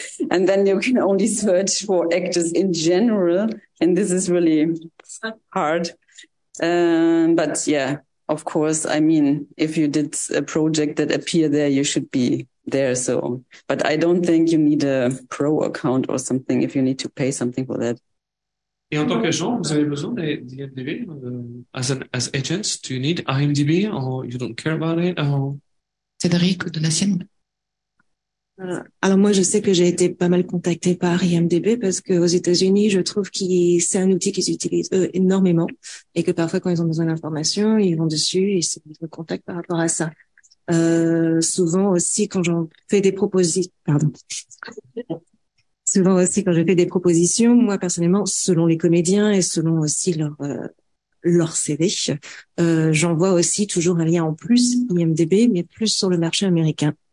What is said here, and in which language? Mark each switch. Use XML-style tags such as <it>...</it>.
<en>And then you can only search for actors in general. And this is really hard. But yeah, of course, I mean, if you did a project that appeared there, you should be there. So, but I don't think you need a pro account or something if you need to pay something for that.</en> <fr>Et en tant qu'agent, vous avez besoin d'IMDb?</fr> <en>As agents, do you need IMDb or you don't care about it?</en> <fr>Cédric, de la sienne. Alors moi, je sais que j'ai été pas mal contactée par IMDb parce qu'aux États-Unis, je trouve que c'est un outil qu'ils utilisent énormément et que parfois, quand ils ont besoin d'informations, ils vont dessus et ils se contactent par rapport à ça. Souvent aussi, quand j'en fais des propositions... Pardon. Souvent aussi, quand je fais des propositions, moi, personnellement, selon les comédiens et selon aussi leur CV, j'envoie aussi toujours un lien en plus IMDb, mais plus sur le marché américain.</fr>